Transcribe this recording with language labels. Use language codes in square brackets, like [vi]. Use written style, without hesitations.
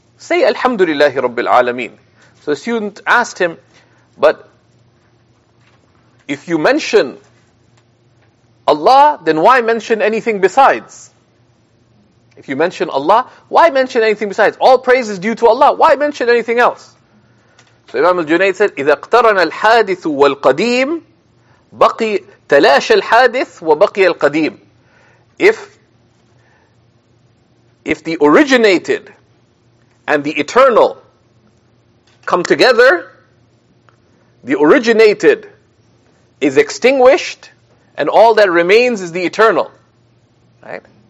[en] Say [ar] Alhamdulillahi Rabbil Alameen. [en] So the student asked him, but if you mention Allah, then why mention anything besides? If you mention Allah, why mention anything besides? All praise is due to Allah. Why mention anything else? So Imam al-Junayd said, [ar] إِذَا اقْتَرَنَ الْحَادِثُ وَالْقَدِيمُ بَقِي تَلَاشَ الْحَادِثُ وَبَقِيَ الْقَدِيمُ. [en] If the originated and the eternal come together, the originated is extinguished and all that remains is the eternal. Right?